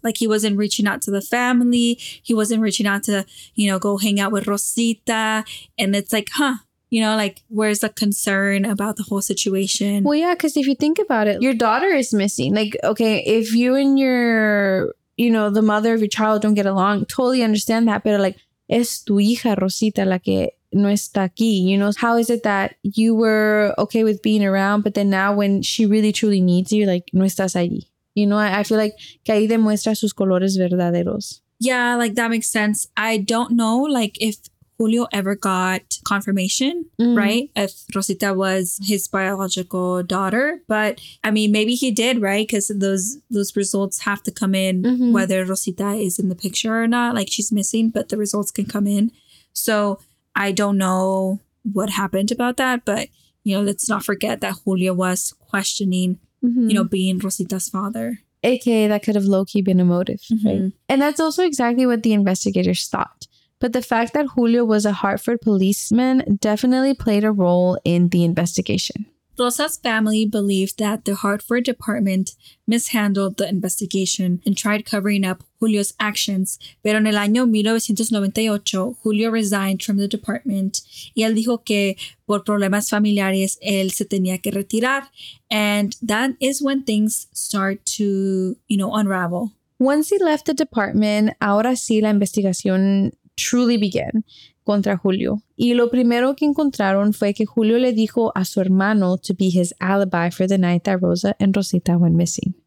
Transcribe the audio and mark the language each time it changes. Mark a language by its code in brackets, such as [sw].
[en] Like, he wasn't reaching out to the family. He wasn't reaching out to, you know, go hang out with Rosita. And it's like, huh, you know, like, where's the concern about the whole situation? Well, yeah, because if you think about it, your daughter is missing. Like, okay, if you and your, you know, the mother of your child don't get along, totally understand that. But like, [es] es tu hija Rosita la que no está aquí. [en] You know, how is it that you were okay with being around, but then now when she really truly needs you, like, [es] no estás allí. [en] You know, I feel like [es] que ahí demuestra sus colores verdaderos. [en] Yeah, like, that makes sense. I don't know, like, if Julio ever got confirmation, right? If Rosita was his biological daughter. But, I mean, maybe he did, right? Because those results have to come in, whether Rosita is in the picture or not. Like, she's missing, but the results can come in. So I don't know what happened about that. But, you know, let's not forget that Julio was questioning, you know, being Rosita's father. AKA, that could have low-key been a motive, right? And that's also exactly what the investigators thought. But the fact that Julio was a Hartford policeman definitely played a role in the investigation. Rosa's family believed that the Hartford department mishandled the investigation and tried covering up Julio's actions. [es] Pero en el año 1998, Julio [en] resigned from the department. [es] Y él dijo que por problemas familiares, él se tenía que retirar. [en] And that is when things start to, you know, unravel. Once he left the department, [es] ahora sí la investigación [en] truly began [es] contra [en] Julio. [es] Y lo primero que encontraron fue que Julio le dijo a su hermano [en] to be his alibi for the night that Rosa and Rosita went missing.